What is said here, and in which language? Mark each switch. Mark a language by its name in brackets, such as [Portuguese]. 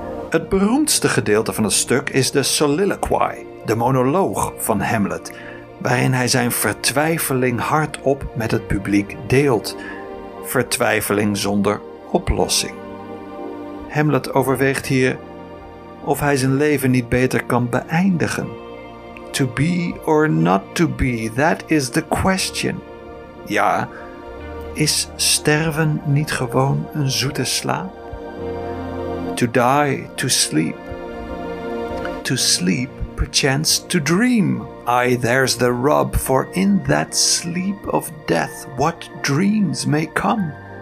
[Dutch] Het beroemdste gedeelte van het stuk is de soliloquy, de monoloog van Hamlet, waarin hij zijn vertwijfeling hardop met het publiek deelt. Vertwijfeling zonder oplossing. Hamlet overweegt hier of hij zijn leven niet beter kan beëindigen. [English] To be or not to be, that is the question. [Dutch] Ja, is sterven niet gewoon een zoete slaap? [English] To die, to sleep. To sleep, perchance to dream. Aye, there's the rub, for in that sleep of death, what dreams may come.